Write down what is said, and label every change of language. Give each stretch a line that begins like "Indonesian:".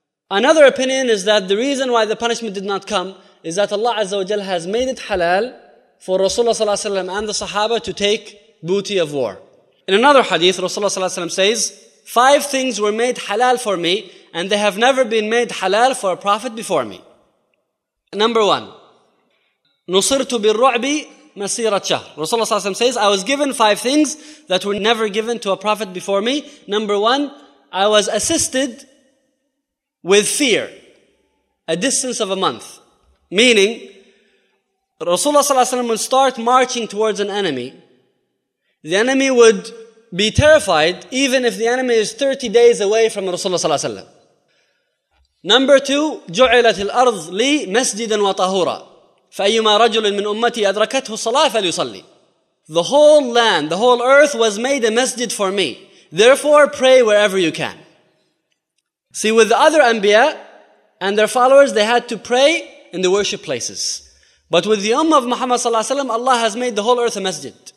English: Another opinion is that the reason why the punishment did not come is that Allah Azza wa Jal has made it halal for Rasulullah sallallahu alayhi wa sallam and the Sahaba to take booty of war. In another hadith, Rasulullah sallallahu alayhi wa sallam says, 5 things were made halal for me, and they have never been made halal for a prophet before me. Number 1,
Arabic: نُصِرْتُ بِالرُّعْبِ مَسِيرَةَ شَهْرٍ.
English: Rasulullah sallallahu alayhi wa sallam says, I was given 5 things that were never given to a prophet before me. Number 1, I was assisted with fear, a distance of a month. Meaning, Rasulullah ﷺ would start marching towards an enemy. The enemy would be terrified, even if the enemy is 30 days away from Rasulullah ﷺ. Number 2,
Arabic: جعلت الأرض لي مسجدا وطهورا فأيما رجل من أمتي أدركته الصلاة فليصلي.
English: The whole land, the whole earth was made a masjid for me. Therefore, pray wherever you can. See, with the other Anbiya and their followers, they had to pray in the worship places. But with the Ummah of Muhammad sallallahu alayhi wa sallam, Allah has made the whole earth a masjid.